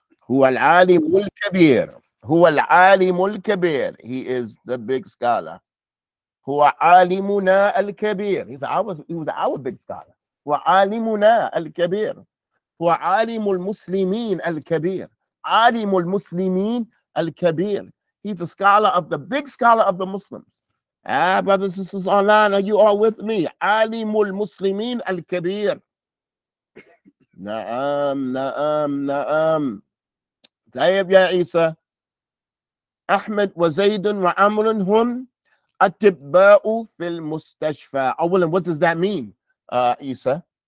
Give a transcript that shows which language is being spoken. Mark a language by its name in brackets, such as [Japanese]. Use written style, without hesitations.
[Arabic] هو العالم الكبير هو العالم الكبير [English] he is the big scholar [Arabic] هو عالمنا الكبير [English] he was our big scholar [Arabic] هو عالمنا الكبير هو عالم المسلمين الكبير عالم المسلمين الكبير. [English] He's a scholar of the big scholar of the Muslims. Ah, brothers and sisters online, are you all with me? [Arabic] عالم المسلمين الكبير. نعم نعم نعم. طيب يا عيسى. أحمد وزيد وعمر هم أطباء في المستشفى. [English] أولا, what does that mean, عيسى?